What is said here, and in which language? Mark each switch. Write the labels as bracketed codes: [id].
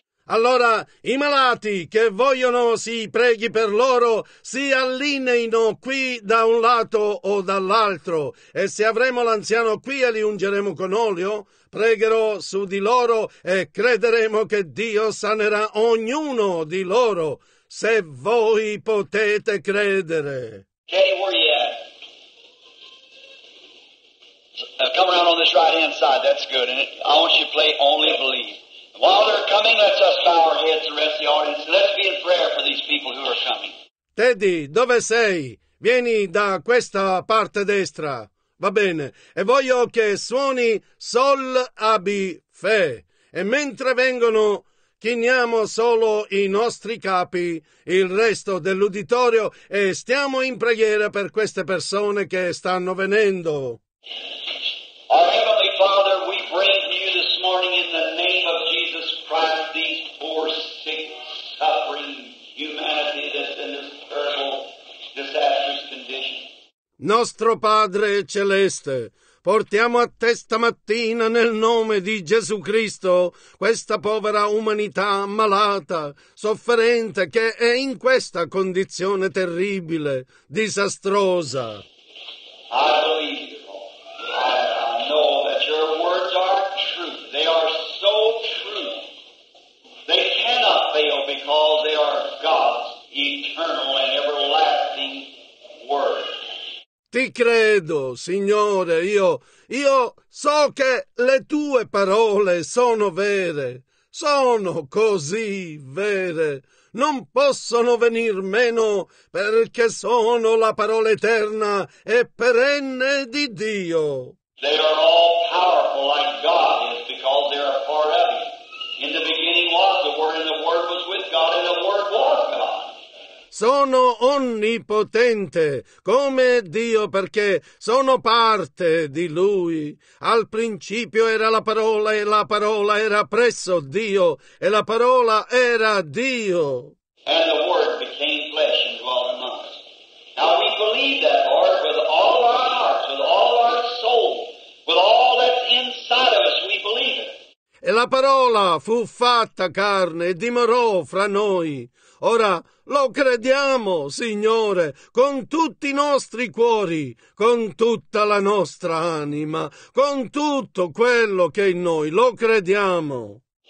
[it] Allora, i malati che vogliono si preghi per loro, si allineino qui da un lato o dall'altro. E se avremo l'anziano qui e li ungeremo con olio, pregherò su di loro e crederemo che Dio sanerà ognuno di loro, se voi potete credere. [en] Katie, where are you at? Come around on this right-hand side, that's good. And I want you to play Only Believe. While they're coming, let's us bow our heads and rest the audience. Let's be in prayer for these people who are coming. [it] Teddy, dove sei? Vieni da questa parte destra. Va bene. E voglio che suoni Sol Abi Fe. E mentre vengono, chiniamo solo i nostri capi, il resto dell'uditorio, e stiamo in preghiera per queste persone che stanno venendo. [en] Our Heavenly Father, we bring you this morning in the name of Christ, these poor, sick, suffering humanity that's in this terrible, disastrous condition. [it] Nostro Padre Celeste, portiamo a te stamattina nel nome di Gesù Cristo questa povera umanità malata, sofferente, che è in questa condizione terribile, disastrosa. [en] I believe you, Lord. I know that your words are true. They are so true. They cannot fail because they are God's eternal and everlasting word. [it] Ti credo, Signore, io so che le tue parole sono vere, sono così vere, non possono venir meno perché sono la parola eterna e perenne di Dio. [en] They are all powerful like God is because they are part of you. In the beginning was the Word, and the Word was with God, and the Word was God. [it] Sono onnipotente come Dio perché sono parte di Lui. Al principio era la parola e la parola era presso Dio e la parola era Dio. [en] And the Word became flesh and dwelt among us. Now we believe that, Lord, with all our hearts, with all our soul, with all that's inside of us, we believe it. [it] E la parola fu fatta carne e dimorò fra noi. Ora lo crediamo, Signore, con tutti i nostri cuori, con tutta la nostra anima, con tutto quello che è in noi, lo crediamo.